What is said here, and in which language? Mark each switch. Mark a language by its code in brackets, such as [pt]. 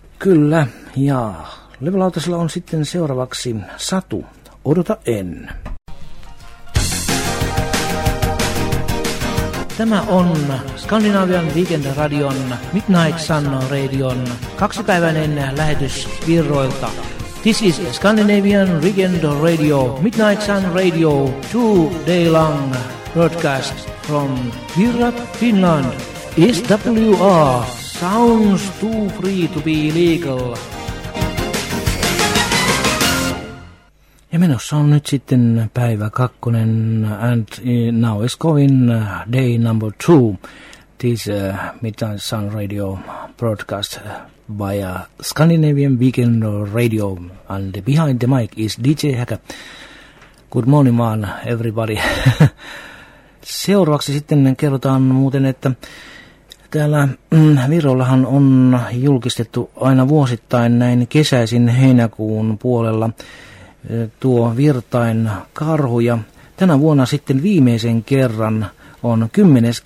[fi] Kyllä, ja levylautasella on sitten seuraavaksi Satu, Odota en. Tämä on Skandinavian Weekend Radion Midnight Sun Radion kaksipäiväinen lähetys Virroilta. [en] This is Scandinavian Weekend Radio Midnight Sun Radio 2-day long broadcast from Virra, Finland. SWR sounds too free to be legal. [fi] Ja menossa on nyt sitten päivä kakkonen, [en] and now is going day number two, this Midnight Sun Radio broadcast via Scandinavian Weekend Radio, and behind the mic is DJ Häkä. Good morning man, everybody. [fi] Seuraavaksi sitten kerrotaan muuten, että täällä Virollahan on julkistettu aina vuosittain näin kesäisin heinäkuun puolella tuo Virtain karhu, ja tänä vuonna sitten viimeisen kerran on 10.